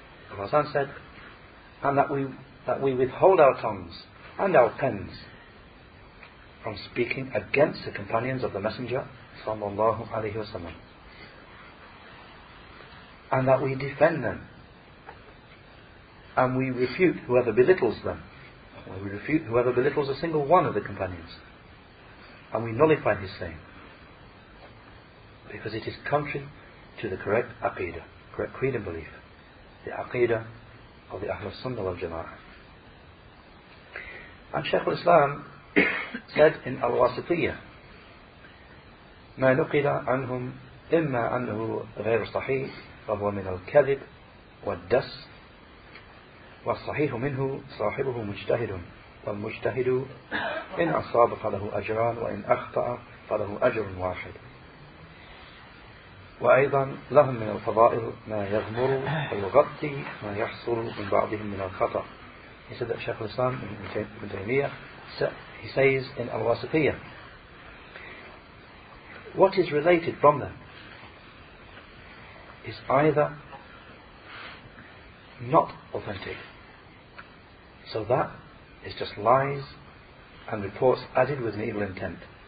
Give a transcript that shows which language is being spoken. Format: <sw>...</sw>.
<en>Al Hassan said, and that we withhold our tongues and our pens from speaking against the companions of the Messenger, sallallahu alayhi wa sallam, and that we defend them, and we refute whoever belittles them. We refute whoever belittles a single one of the companions, and we nullify his saying, because it is contrary to the correct aqidah, correct creed and belief, the aqidah of the Ahlul Sunnah wal Jama'ah.</en> <ar>And Shaykh al-Islam said in Al-Wasitiyya, ما نقل عنهم إما أنه غير صحيح فهو من الكذب والدس والصحيح منه صاحبه مجتهد والمجتهد إن أصاب فله أجران وإن أخطأ فله أجر واحد وأيضا لهم من الفضائل ما يغمر ويغطي ما يحصل من بعضهم من الخطأ.</ar> <en>He said that Shaykh al-Islam ibn Taymiyyah, he says in Al-Wasitiyya, what is related from them is either not authentic, so that is just lies and reports added with an evil intent.</en>